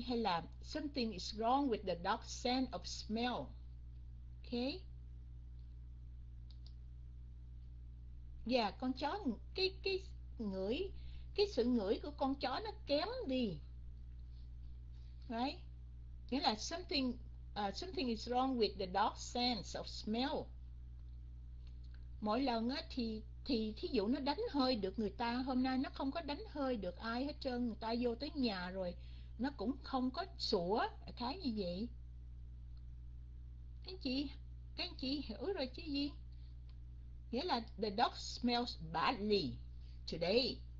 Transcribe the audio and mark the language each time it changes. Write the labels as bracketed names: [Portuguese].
[Vietnamese] Hay là [English] something is wrong with the dog's sense of smell. Okay. [Vietnamese] Yeah, con chó, cái ngửi, cái sự ngửi của con chó nó kém đi. [English] Right. [Vietnamese] Nghĩa là [English] something, something is wrong with the dog's sense of smell. [Vietnamese] Mỗi lần á thì thí dụ nó đánh hơi được người ta, hôm nay nó không có đánh hơi được ai hết trơn, người ta vô tới nhà rồi nó cũng không có sủa, khá như vậy. Các anh chị hiểu rồi chứ gì? Nghĩa là [English] the dog smells badly today.